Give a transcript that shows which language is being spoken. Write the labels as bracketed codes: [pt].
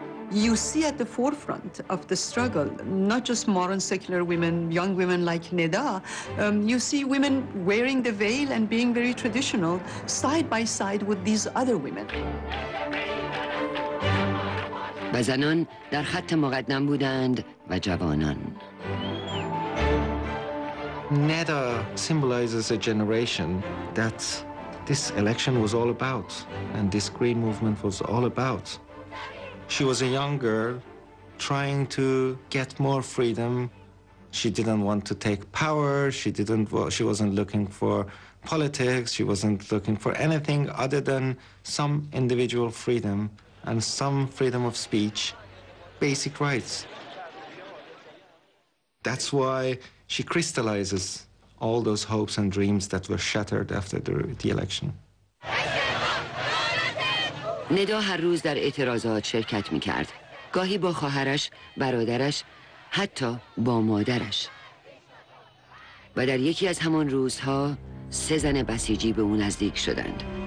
[en] You see at the forefront of the struggle, not just modern secular women, young women like Neda, you see women wearing the veil and being very traditional, side by side with these other women. [fa] و زنان در خط مقدم بودند و جوانان. [en] Neda symbolizes a generation that this election was all about and this green movement was all about. She was a young girl trying to get more freedom. She didn't want to take power. She wasn't looking for politics. She wasn't looking for anything other than some individual freedom and some freedom of speech, basic rights. That's why she crystallizes all those hopes and dreams that were shattered after the election. [fa] Neda هر روز در اعتراضات شرکت می‌کرد. گاهی با خواهرش، برادرش، حتی با مادرش. و در یکی از همان روزها، سه زن بسیجی به او نزدیک شدند.